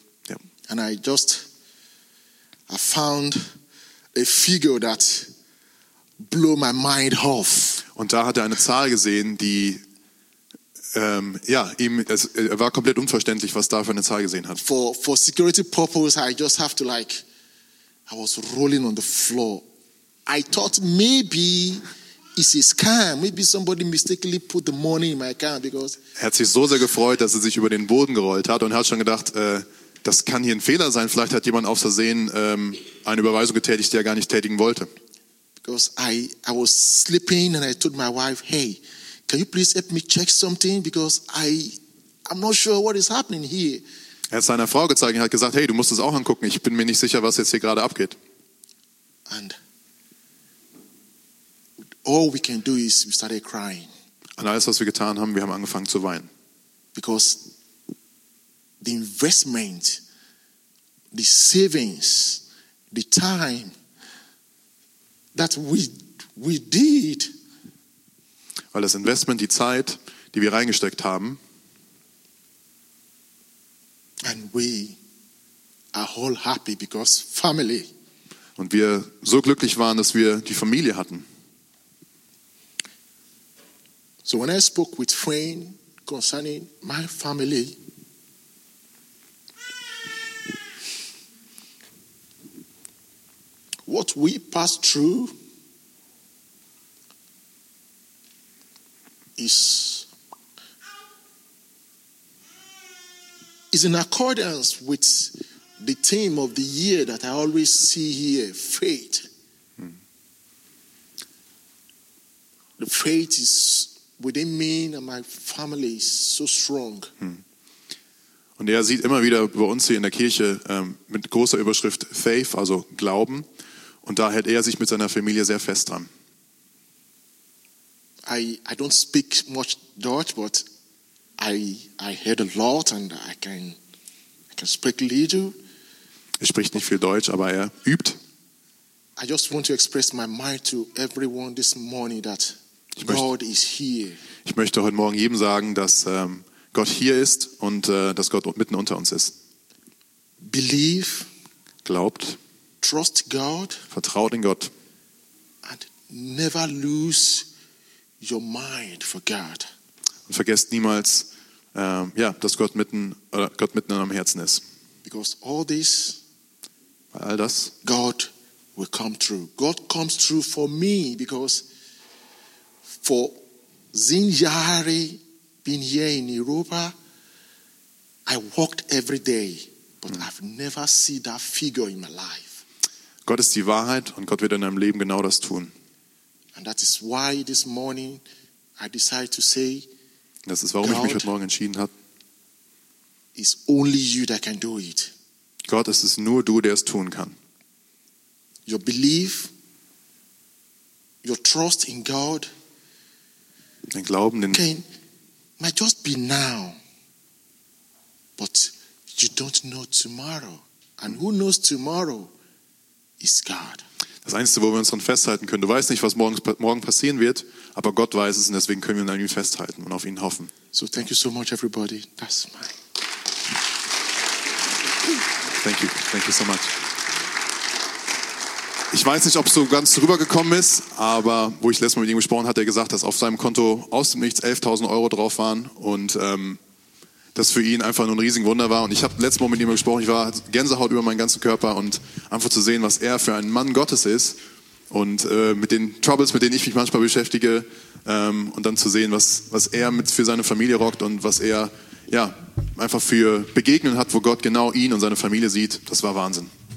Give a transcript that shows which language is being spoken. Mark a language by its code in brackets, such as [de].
[de] Ja. [en] And I found a figure that blew my mind off. [de] Und da hat er eine Zahl gesehen, die er war komplett unverständlich, was da für eine Zahl gesehen hat. [en] For security purpose, I just have to like, I was rolling on the floor. I thought maybe it's a scam. Maybe somebody mistakenly put the money in my account, because. [de] Er hat sich so sehr gefreut, dass er sich über den Boden gerollt hat, und hat schon gedacht, das kann hier ein Fehler sein. Vielleicht hat jemand aus Versehen eine Überweisung getätigt, die er gar nicht tätigen wollte. [en] Because I was sleeping and I told my wife, hey, can you please help me check something? Because I'm not sure what is happening here. [de] Er hat seiner Frau gezeigt und hat gesagt, hey, du musst es auch angucken. Ich bin mir nicht sicher, was jetzt hier gerade abgeht. [en] And all we can do is we started crying. [de] Und alles, was wir getan haben, wir haben angefangen zu weinen. [en] Because the investment, the savings, the time that we did. [de] Weil das Investment, die Zeit, die wir reingesteckt haben. [en] And we are all happy because family. [de] Und wir so glücklich waren, dass wir die Familie hatten. [en] So when I spoke with Wayne concerning my family, what we passed through is in accordance with the theme of the year that I always see here, faith. The faith is within me and my family is so strong. [de] Und er sieht immer wieder bei uns hier in der Kirche mit großer Überschrift Faith, also Glauben. Und da hält er sich mit seiner Familie sehr fest dran. [en] I don't speak much Dutch, but I heard a lot and I can speak little. [de] Er spricht nicht viel Deutsch, aber er übt. [en] I just want to express my mind to everyone this morning that God is here. [de] Ich möchte heute Morgen jedem sagen, dass Gott hier ist und dass Gott mitten unter uns ist. [en] Believe, [de] glaubt, [en] trust God, [de] vertraut in Gott, [en] and never lose your mind for God. [de] Und vergesst niemals, dass Gott mitten in eurem Herzen ist. [en] Because all this, [de] weil all das, [en] God will come through. God comes through for me because for [de] zehn Jahre [en] being here in Europa, I walked every day, but I've never seen that figure in my life. [de] Gott ist die Wahrheit und Gott wird in deinem Leben genau das tun. [en] And that is why this morning I decided to say, [de] das ist, warum ich mich heute Morgen entschieden habe. [en] Is only you that can do it. [de] Gott, es ist nur du, der es tun kann. [en] Your belief, your trust in God, [de] den Glauben, den [en] can, might just be now, but you don't know tomorrow. And who knows tomorrow is God. [de] Das Einzige, wo wir uns dran festhalten können, du weißt nicht, was morgen passieren wird, aber Gott weiß es und deswegen können wir an ihm festhalten und auf ihn hoffen. [en] So, thank you so much, everybody. That's my... Thank you so much. [de] Ich weiß nicht, ob es so ganz rübergekommen ist, aber wo ich letztes Mal mit ihm gesprochen habe, hat er gesagt, dass auf seinem Konto aus dem Nichts 11.000 Euro drauf waren und das für ihn einfach nur ein riesiges Wunder war. Und ich habe letztes Mal mit ihm gesprochen, ich war Gänsehaut über meinen ganzen Körper und einfach zu sehen, was er für ein Mann Gottes ist und mit den Troubles, mit denen ich mich manchmal beschäftige und dann zu sehen, was er mit für seine Familie rockt und was er ja einfach für Begegnungen hat, wo Gott genau ihn und seine Familie sieht, das war Wahnsinn.